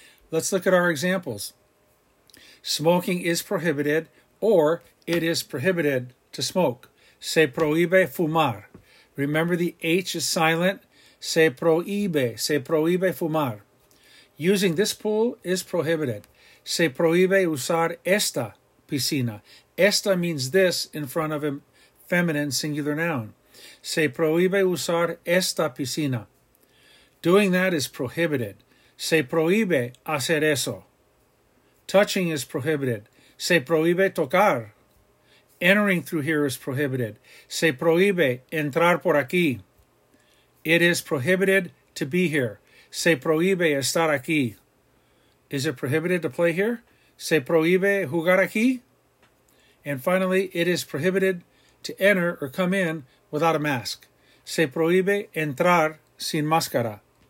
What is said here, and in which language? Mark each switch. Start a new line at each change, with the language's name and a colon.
English: Let's look at our examples. Smoking is prohibited, or it is prohibited to smoke.
Spanish: Se prohíbe fumar.
English: Remember the H is silent.
Spanish: Se prohíbe fumar.
English: Using this pool is prohibited.
Spanish: Se prohíbe usar esta piscina.
English: Esta means this in front of a feminine singular noun.
Spanish: Se prohíbe usar esta piscina.
English: Doing that is prohibited.
Spanish: Se prohíbe hacer eso.
English: Touching is prohibited.
Spanish: Se prohíbe tocar.
English: Entering through here is prohibited.
Spanish: Se prohíbe entrar por aquí.
English: It is prohibited to be here.
Spanish: Se prohíbe estar aquí.
English: Is it prohibited to play here?
Spanish: Se prohíbe jugar aquí.
English: And finally, it is prohibited to enter or come in without a mask.
Spanish: Se prohíbe entrar sin máscara.